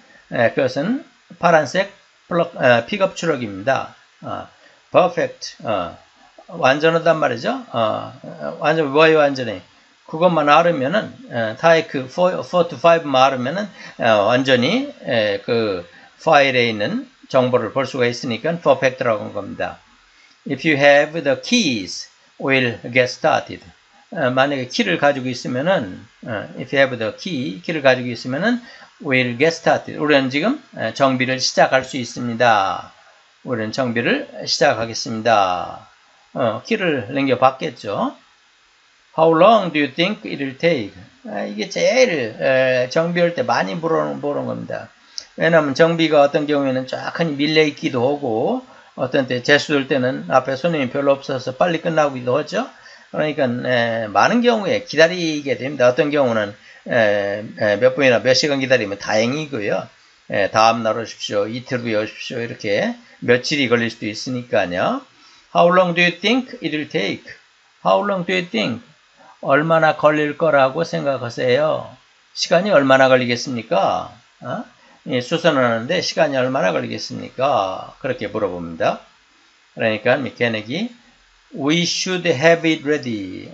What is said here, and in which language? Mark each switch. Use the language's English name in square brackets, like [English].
[Korean] 그것은 파란색 pickup truck입니다. [English] Perfect. [Korean] 완전하단 말이죠. 완전히 그것만 알으면은 타이크 425만 알으면은 완전히 그 파일에 있는 정보를 볼 수가 있으니까 퍼펙트라고 한 겁니다. [English] If you have the keys, we'll get started. [Korean] 만약에 키를 가지고 있으면은 [English] if you have the key [Korean] 키를 가지고 있으면은 [English] we'll get started. [Korean] 우리는 지금 정비를 시작할 수 있습니다. 우리는 정비를 시작하겠습니다. 키를 남겨봤겠죠. [English] How long do you think it will take? [Korean] 이게 제일 정비할 때 많이 물어보는 겁니다. 왜냐하면 정비가 어떤 경우에는 쫙 하니 밀려있기도 하고 어떤 때 재수될 때는 앞에 손님이 별로 없어서 빨리 끝나기도 하죠. 그러니까 많은 경우에 기다리게 됩니다. 어떤 경우는 몇 분이나 몇 시간 기다리면 다행이고요. 다음날 오십시오. 이틀 후에 오십시오. 이렇게 며칠이 걸릴 수도 있으니까요. [English] How long do you think it will take? How long do you think? [Korean] 얼마나 걸릴 거라고 생각하세요? 시간이 얼마나 걸리겠습니까? 수선하는데 시간이 얼마나 걸리겠습니까? 그렇게 물어봅니다. 그러니까 미케넥이 [English] We should have it ready.